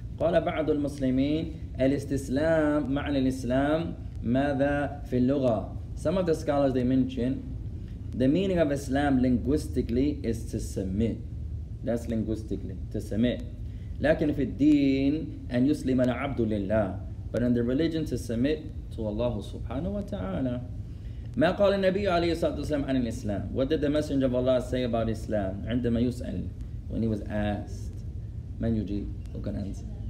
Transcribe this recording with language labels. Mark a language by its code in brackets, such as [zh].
[ar] قال بعض المسلمين الاستسلام معنى الإسلام ماذا في اللغة. [en] Some of the scholars they mention the meaning of Islam linguistically is to submit. That's linguistically, to submit. [ar] لكن في الدين أن يسلم العبد لله. [en] But in the religion, to submit to Allah subhanahu wa ta'ala. [ar] ما قال النبي عليه الصلاة والسلام عن الإسلام. [en] What did the messenger of Allah say about Islam? [ar] عندما يسأل, [en] when he was asked. [ar] من يجيب, [en] who can answer?